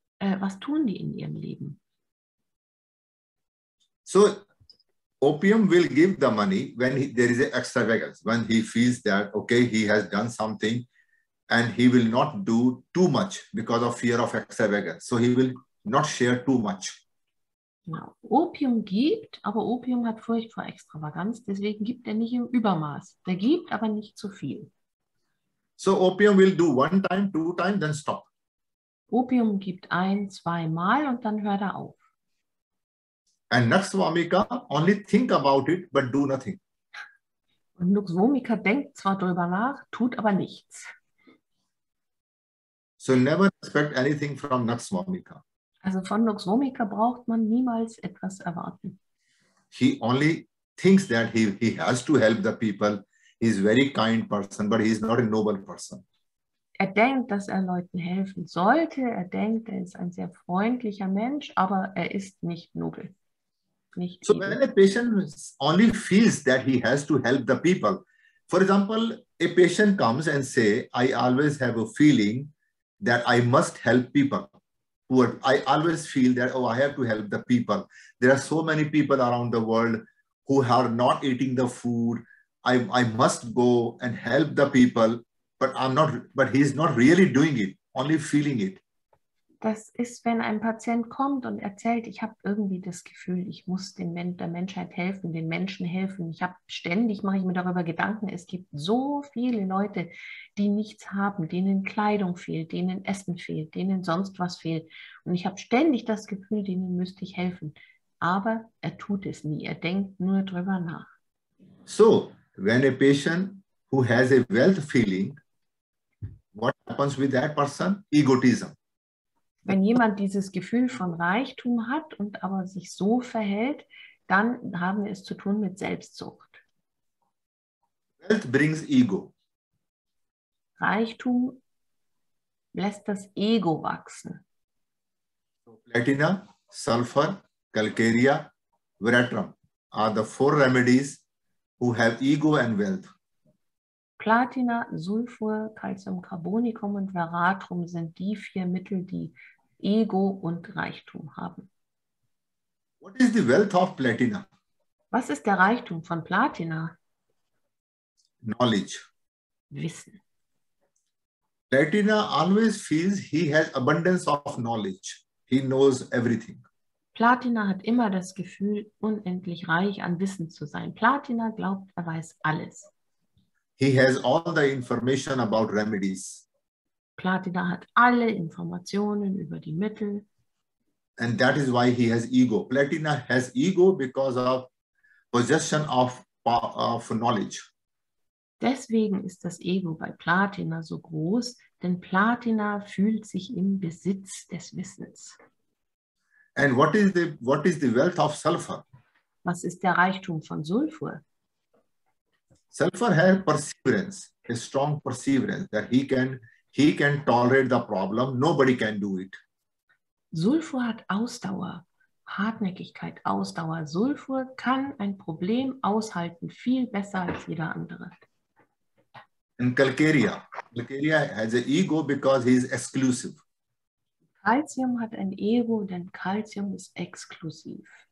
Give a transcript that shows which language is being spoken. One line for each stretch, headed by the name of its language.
German: Was tun die in ihrem Leben?
English: So, Opium will give the money when there is an extravagance, when he feels that, okay, he has done something. And he will not do too much because of fear of extravagance. So he will not share too much.
German: Genau. Opium gibt, aber Opium hat Furcht vor Extravaganz. Deswegen gibt er nicht im Übermaß. Der gibt, aber nicht zu viel.
English: So Opium will do one time, two times, then stop.
German: Opium gibt ein, zweimal und dann hört er auf.
English: And Nux Vomica only think about it, but do nothing.
German: Und Nux Vomica denkt zwar drüber nach, tut aber nichts.
English: So never expect anything from Nux Vomica.
German: Also von Nux Vomica braucht man niemals etwas erwarten.
English: He only thinks that he has to help the people. He is a very kind person, but he is not a noble person.
German: Er denkt, dass er Leuten helfen sollte. Er denkt, er ist ein sehr freundlicher Mensch, aber er ist nicht nobel. Nicht
English: so when a patient only feels that he has to help the people. For example, a patient comes and say, I always have a feeling that I must help people. I always feel that, oh, I have to help the people. There are so many people around the world who are not eating the food. I must go and help the people, but he's not really doing it, only feeling it.
German: Das ist, wenn ein Patient kommt und erzählt, ich habe irgendwie das Gefühl, ich muss der Menschheit helfen, den Menschen helfen. Ich habe ständig, mache ich mir darüber Gedanken, es gibt so viele Leute, die nichts haben, denen Kleidung fehlt, denen Essen fehlt, denen sonst was fehlt. Und ich habe ständig das Gefühl, denen müsste ich helfen. Aber er tut es nie, er denkt nur drüber nach.
English: So, when a patient who has a wealth feeling, what happens with that person? Egotism.
German: Wenn jemand dieses Gefühl von Reichtum hat und aber sich so verhält, dann haben wir es zu tun mit Selbstsucht.
English: Wealth brings ego.
German: Reichtum lässt das Ego wachsen.
English: Platina, Sulfur, Calcarea, Veratrum are the four remedies who have ego and wealth.
German: Platina, Sulfur, Calcium Carbonicum und Veratrum sind die vier Mittel, die Ego und Reichtum haben.
English: What is the wealth of Platina?
German: Was ist der Reichtum von Platina?
English: Knowledge.
German: Wissen.
English: Platina always feels he has abundance of knowledge. He knows everything.
German: Platina hat immer das Gefühl, unendlich reich an Wissen zu sein. Platina glaubt, er weiß alles.
English: He has all the information about remedies.
German: Platina hat alle Informationen über die Mittel.
English: And that is why he has ego. Platina has ego because of possession of knowledge.
German: Deswegen ist das Ego bei Platina so groß, denn Platina fühlt sich im Besitz des Wissens.
English: And what is the wealth of sulfur?
German: Was ist der Reichtum von Sulfur?
English: Sulfur has perseverance, a strong perseverance that he can tolerate the problem. Nobody can do it.
German: Sulfur hat Ausdauer, Hartnäckigkeit, Ausdauer. Sulfur kann ein Problem aushalten viel besser als jeder andere.
English: And calcarea. Calcarea has an ego because he is exclusive.
German: Calcium hat ein Ego, denn Calcium ist exklusiv.